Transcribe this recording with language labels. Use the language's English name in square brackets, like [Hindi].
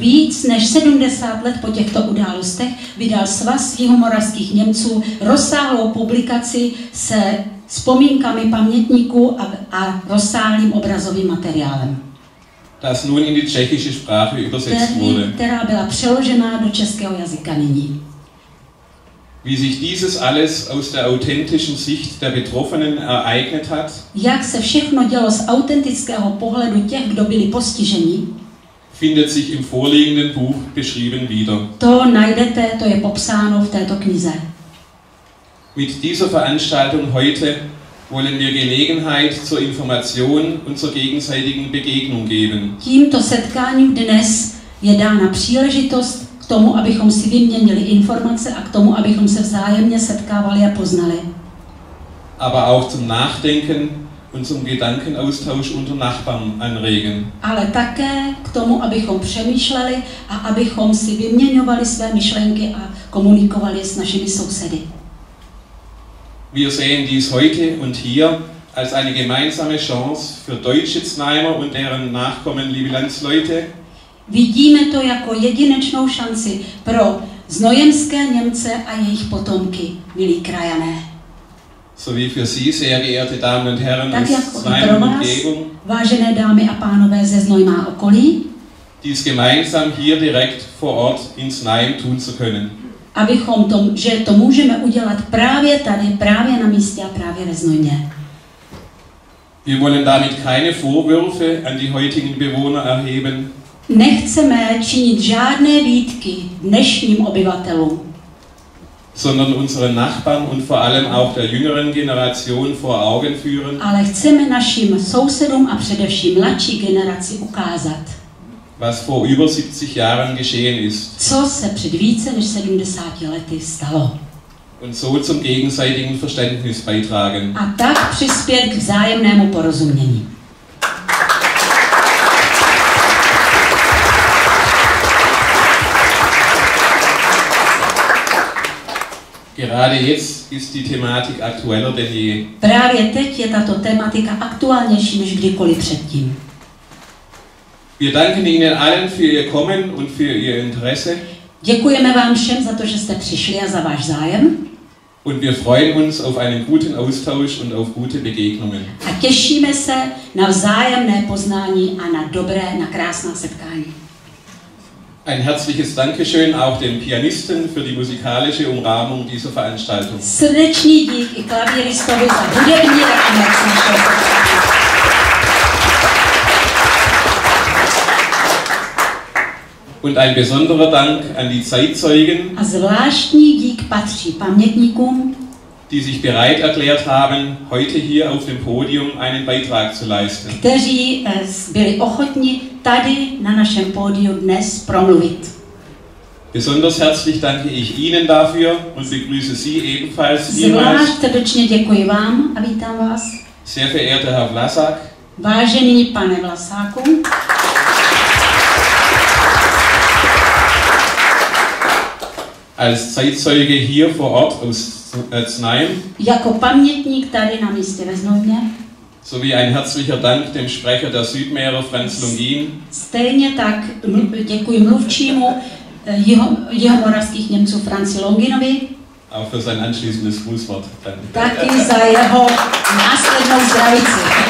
[Czech] Víc než 70 let po těchto událostech vydal Svaz jihomoravských Němců rozsáhlou publikaci se vzpomínkami pamětníků a rozsáhlým obrazovým materiálem. [German] Das nun in die tschechische Sprache übersetzt wurde. [Czech] Která byla přeložena do českého jazyka nyní. [German] wie sich dieses alles aus der authentischen Sicht der Betroffenen ereignet hat. [Czech] Jak se všechno dělo z autentického pohledu těch, kdo byli postiženi, [German] findet sich im vorliegenden Buch beschrieben wieder. [Czech] To najdete, to je popsáno v této knize. [German] Mit dieser Veranstaltung heute wollen wir Gelegenheit zur Information und zur gegenseitigen Begegnung geben. [Czech] Tímto setkáním dnes je dána příležitost k tomu, abychom si vyměnili informace a k tomu, abychom se vzájemně setkávali a poznali. [German] Aber auch zum Nachdenken und zum Gedankenaustausch unter Nachbarn anregen. [Czech] Ale také k tomu, abychom přemýšleli a abychom si vyměňovali své myšlenky a komunikovali s našimi sousedy. [German] Wir sehen dies heute und hier als eine gemeinsame Chance für deutsche Znajmer und deren Nachkommen, liebe Landsleute. [Czech] Vidíme to jako jedinečnou šanci pro znojemské Němce a jejich potomky, milí krajané. [German] So wie für Sie, sehr geehrte Damen und Herren, [Czech] tak jako pro vás, vážené dámy a pánové ze Znojma okolí, [German] dies gemeinsam hier direkt vor Ort in Znajm tun zu können. [Czech] Abychom to, že to můžeme udělat právě tady, právě na místě a právě ve Znojmě. [German] Wir wollen damit keine Vorwürfe an die heutigen Bewohner erheben. [Czech] Nechceme činit žádné výtky dnešním obyvatelům, [German] sondern unseren Nachbarn und vor allem auch der jüngeren Generation vor Augen führen. [Czech] Ale chceme našim sousedům a především mladší generaci ukázat, [German] was vor über 70 Jahren geschehen ist. [Czech] Co se před více než 70 lety stalo. [German] Und so zum gegenseitigen Verständnis beitragen. [Czech] A tak přispět k vzájemnému porozumění. [German] Gerade jetzt ist die Thematik aktueller denn je. [Czech] Právě teď je tato tematika aktuálnější než kdykoliv předtím. [German] Wir danken Ihnen allen für Ihr Kommen und für Ihr Interesse. [Czech] Děkujeme vám všem za to, že jste přišli a za váš zájem. [German] Und wir freuen uns auf einen guten Austausch und auf gute Begegnungen. [Czech] A těšíme se na vzájemné poznání a na dobré, na krásná setkání. [German] Ein herzliches Dankeschön auch den Pianisten für die musikalische Umrahmung dieser Veranstaltung. [Czech] Srdečný dík i klavíristovi za hudební rámec našeho setkání. [German] Und ein besonderer Dank an die Zeitzeugen. [Czech] A zvláštní dík patří pamětníkům, [German] die sich bereit erklärt haben, heute hier auf dem Podium einen Beitrag zu leisten. [Czech] Kteří byli ochotni tady na našem pódiu dnes promluvit. [German] Besonders herzlich danke ich Ihnen dafür und begrüße Sie ebenfalls. [Czech] Zvlášť srdečně děkuji vám a vítám vás. [German] Sehr verehrter Herr Vlasák. [Czech] Vážený pane Vlasáku. [German] Als Zeitzeuge hier vor Ort aus Znajm. [Czech] Jako pamětník tady na místě ve Znojmě. [German] Sowie ein herzlicher Dank dem Sprecher der Südmeere Franz Lungin. [Czech] Stejně tak děkuji mluvčímu jihomoravských Němců Franzi Longinovi. [German] Auch für sein anschließendes Grußwort. [Czech] Taky za jeho následnou zdravici.